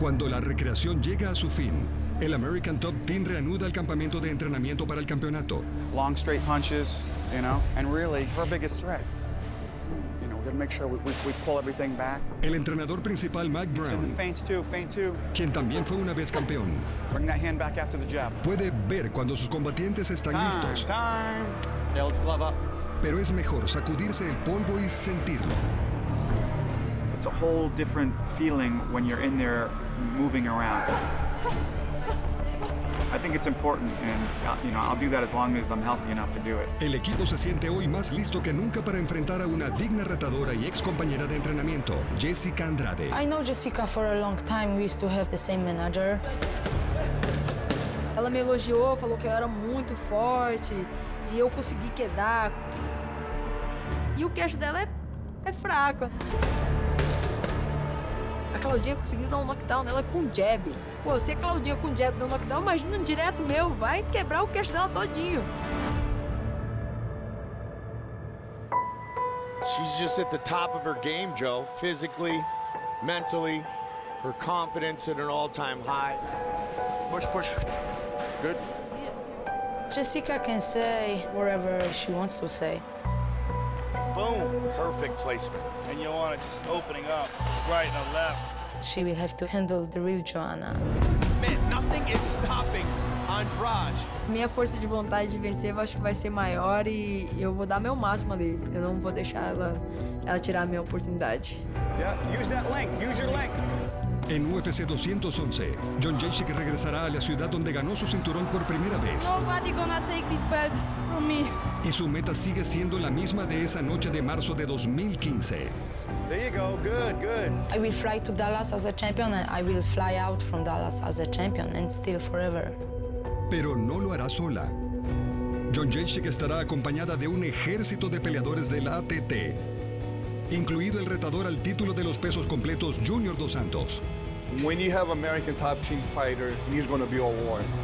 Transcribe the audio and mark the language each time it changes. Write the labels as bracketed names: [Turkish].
[Spanish] Cuando la recreación llega a su fin, el American Top Team reanuda el campamento de entrenamiento para el campeonato. [English] Long straight punches, you know, and really her biggest threat. To make sure we pull everything back. [Spanish] El entrenador principal, Mike Brown, [English] faints too, faint too. [Spanish] Quien también fue una vez campeón, [English] bring that hand back after the jab. [Spanish] Puede ver cuando sus combatientes están [English] time, [Spanish] listos. [English] Time. Yeah, let's glove up. [Spanish] Pero es mejor sacudirse el polvo y sentirlo. [English] It's a whole different feeling when you're in there moving around. I think it's important, and you know, I'll do that as long as I'm healthy enough to do it. [Spanish] El equipo se siente hoy más listo que nunca para enfrentar a una digna retadora y ex compañera de entrenamiento, Jessica Andrade. [English] I know Jessica for a long time. We used to have the same manager. [Portuguese] Ela me elogiou, falou que eu era muito forte e eu consegui quedar. E o queixo dela é fraco. A Claudinha conseguiu dar um knockdown nela com jab. Pô, se a Claudinha com jab deu um knockdown, imagina um direto meu, vai quebrar o queixo dela todinho. [English] She's just at the top of her game, Joe. Physically, mentally, her confidence at an all-time high. Push, push. Good. Jessica can say whatever she wants to say. Boom. Perfect placement. And you want it just opening up right and left. She will have to handle the real Joanna. Man, nothing is stopping Andrade. [Portuguese] Minha força de vontade de vencer, eu acho que vai ser maior e eu vou dar meu máximo ali. Eu não vou deixar ela tirar a minha oportunidade. [English] Yeah, use that length. Use your length. [Spanish] En UFC 211, John Jacek regresará a la ciudad donde ganó su cinturón por primera vez. [English] Nobody gonna take this belt from me. [Spanish] Y su meta sigue siendo la misma de esa noche de marzo de 2015. [English] There you go, good, good. I will fly to Dallas as a champion and I will fly out from Dallas as a champion and still forever. [Spanish] Pero no lo hará sola. John Jacek estará acompañada de un ejército de peleadores del ATT. Incluido el retador al título de los pesos completos, Junior Dos Santos. [English] When you have American top team fighter, he's going to be a war.